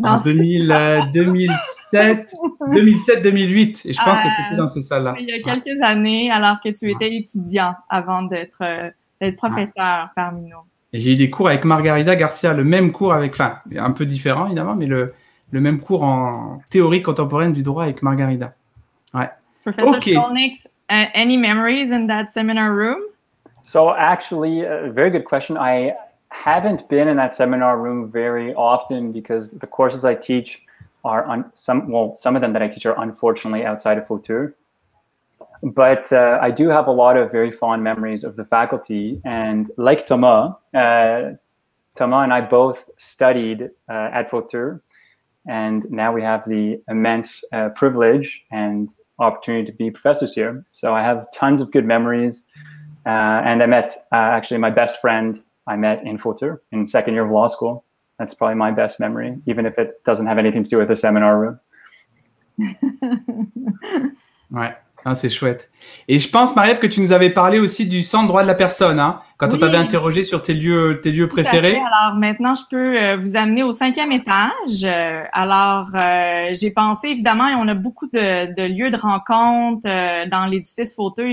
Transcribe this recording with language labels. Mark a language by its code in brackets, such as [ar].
[fr] En 2007-2008, et je pense que c'était dans cette salle-là. Il y a quelques années, alors que tu étais étudiant avant d'être professeur parmi nous. Et j'ai eu des cours avec Margarida Garcia, le même cours un peu différent évidemment, mais le même cours en théorie contemporaine du droit avec Margarida. Ouais. [en] Professor Skolnick, any memories in that seminar room? So actually, a very good question. I haven't been in that seminar room very often because the courses I teach are some of them that I teach are unfortunately outside of fauteuil. But I do have a lot of very fond memories of the faculty. And like Thomas, Thomas and I both studied at fauteuil. And now we have the immense privilege and opportunity to be professors here. So I have tons of good memories. And I met actually my best friend I met in fauteuil in second year of law school. That's probably my best memory, even if it doesn't have anything to do with the seminar room. [fr] Ouais. Ah, c'est chouette. Et je pense, Marie-Ève, que tu nous avais parlé aussi du centre droit de la personne, hein, quand oui. on t'avait interrogé sur tes lieux tout préférés. À fait. Alors, maintenant, je peux vous amener au 5e étage. Alors, j'ai pensé, évidemment, on a beaucoup de lieux de rencontre dans l'édifice fauteuil.